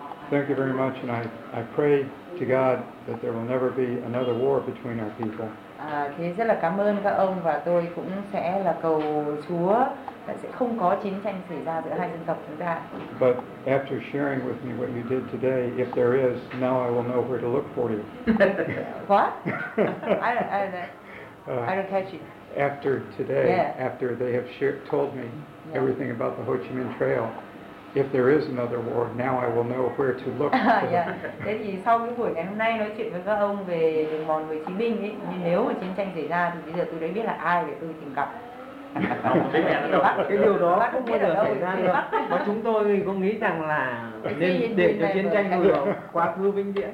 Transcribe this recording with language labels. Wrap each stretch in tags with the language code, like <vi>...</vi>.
<en>Thank you very much, and I pray to God that there will never be another war between our people.</en> <vi>Thì rất là cảm ơn các ông, và tôi cũng sẽ là cầu Chúa là sẽ không có chiến tranh xảy ra giữa hai dân tộc chúng ta.</vi> <en>But after sharing with me what you did today, if there is, now I will know where to look for you. What? I don't catch it. After today, yeah. After they have told me yeah. Everything about the Ho Chi Minh Trail. If there is another war, now I will know where to look.</en> <vi>Thế thì sau cái buổi ngày hôm nay nói chuyện với các ông về đường mòn Hồ Chí Minh ấy, nhưng nếu mà chiến tranh xảy ra thì bây giờ tôi đã biết là ai để tôi tìm gặp. Cái điều đó không bao giờ xảy ra được. Và chúng tôi cũng nghĩ rằng là nên để cho chiến tranh lùi vào quá khứ vĩnh viễn.</vi>